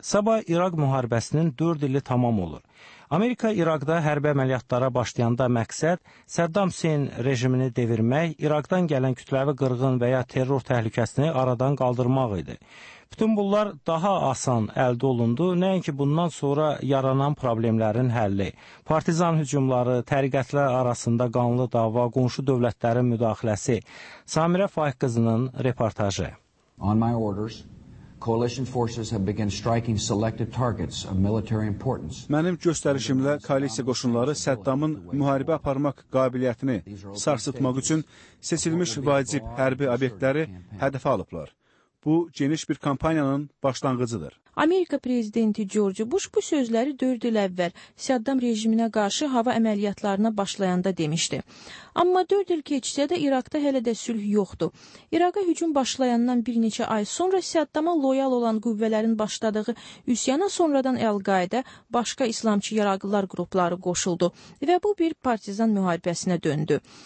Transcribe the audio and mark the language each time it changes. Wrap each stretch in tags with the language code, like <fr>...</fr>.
<az>Sabah İraq müharibəsinin 4 ili tamam olur. Amerika İraqda hərbi əməliyyatlara başlayanda məqsəd Səddam Hüseyn rejimini devirmək, İraqdan gələn kütləvi qırğın və ya terror təhlükəsini aradan qaldırmaq idi. Bütün bunlar daha asan əldə olundu, nəinki bundan sonra yaranan problemlərin həlli. Partizan hücumları, təriqətlər arasında qanlı dava, qonşu dövlətlərin müdaxiləsi. Samirə Faik qızının reportajı.</az> <en>On my orders. Coalition forces have begun striking selective targets of military importance.</en> <az>Mənim göstərişimlə koalisiya qoşunları Səddamın müharibə aparmaq qabiliyyətini sarsıtmaq üçün seçilmiş vacib hərbi obyektləri hədəfə alıblar. Bu geniş bir kampaniyanın başlanğıcıdır. Amerika prezidenti George Bush bu sözləri 4 il əvvəl Səddam rejiminə qarşı hava əməliyyatlarına başlayanda demişdi. Amma 4 il keçsə də İraqda hələ də sülh yoxdur. İraqa hücum başlayandan bir neçə ay sonra Səddama loyal olan qüvvələrin başladığı üsyana sonradan Əl-Qaida başqa İslamçı yaraqlılar qrupları qoşuldu və bu bir partizan müharibəsinə döndü.</az>